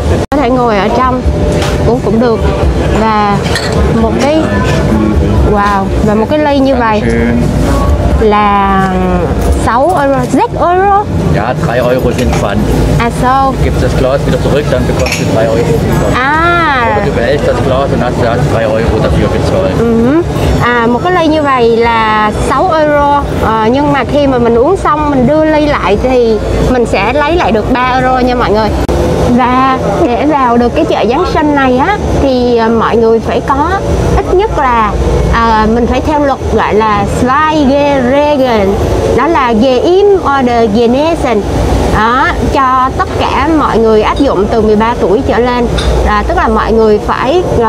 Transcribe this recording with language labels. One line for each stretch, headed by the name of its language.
Vietnamese: Có thể ngồi ở trong uống cũng được. Và một cái wow, và một cái ly như vậy là 6 euro, 6 euro.
German: Ja, 3 euro sind Pfand. Ach so. Gibst das Glas wieder zurück, dann bekommst du 3 Euro. Ah. Oder du behältst das Glas und hast 3 Euro dafür bezahlt.
Vietnamese: À, một cái ly như vậy là 6 euro. À, nhưng mà khi mà mình uống xong, mình đưa ly lại thì mình sẽ lấy lại được 3 euro nha mọi người. Và để vào được cái chợ Giáng sinh này á, thì mọi người phải có ít nhất là mình phải theo luật gọi là Zweige Regeln, đó là
German: Geim oder Genesen,
Vietnamese: cho tất cả mọi người áp dụng từ 13 tuổi trở lên, tức là mọi người phải